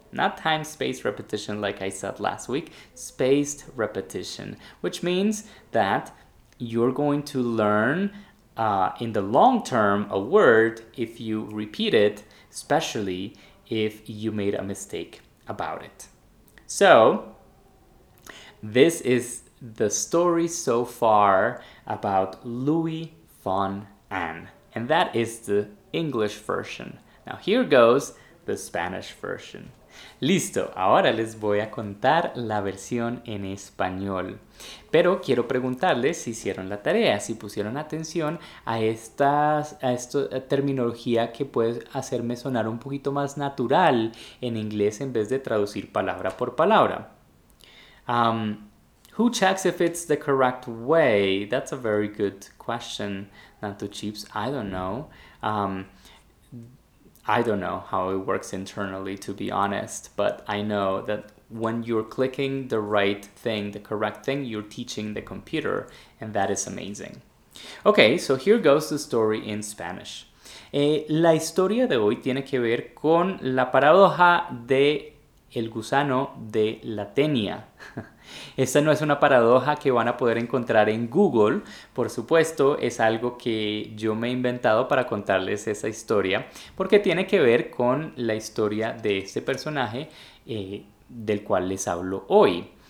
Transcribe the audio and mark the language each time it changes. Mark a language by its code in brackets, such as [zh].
[en] Not time-spaced repetition like I said last week, spaced repetition, which means that you're going to learn in the long term a word if you repeat it, especially if you made a mistake about it. So, this is the story so far about Louis von Ann, and that is the English version. Now here goes the Spanish version. [es] Listo, ahora les voy a contar la versión en español. Pero quiero preguntarles si hicieron la tarea, si pusieron atención a esta terminología que puede hacerme sonar un poquito más natural en inglés en vez de traducir palabra por palabra. [en] Who checks if it's the correct way? That's a very good question, Nato Chips. I don't know. I don't know how it works internally, to be honest, but I know that when you're clicking the right thing, the correct thing, you're teaching the computer, and that is amazing. Okay, so here goes the story in Spanish. [es] La historia de hoy tiene que ver con la paradoja de el gusano de la tenia. Esta no es una paradoja que van a poder encontrar en Google, por supuesto, es algo que yo me he inventado para contarles esa historia, porque tiene que ver con la historia de este personaje del cual les hablo hoy.